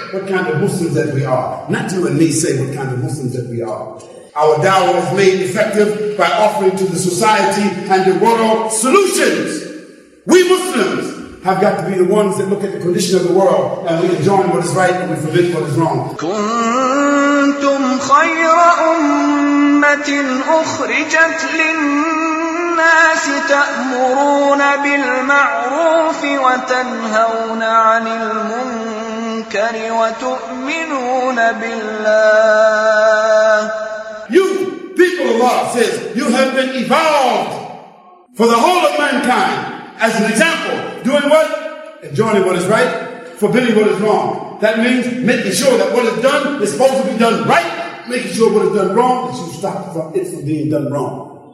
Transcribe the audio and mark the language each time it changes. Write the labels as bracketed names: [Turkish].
[English] what kind of Muslims that we are. Not you and me say what kind of Muslims that we are. Our da'wah is made effective by offering to the society and the world solutions. We Muslims have got to be the ones that look at the condition of the world and we enjoin what is right and we forbid what is wrong. [Arabic] كنتم خير أمة أخرجت للناس تأمرون بالمعروف وتنهون عن المنكر وتؤمنون بالله. [English] You people, Allah says, you have been evolved for the whole of mankind as an example. Doing what? Enjoying what is right, forbidding what is wrong. That means making sure that what is done is supposed to be done right, making sure what is done wrong is you stop it from being done wrong.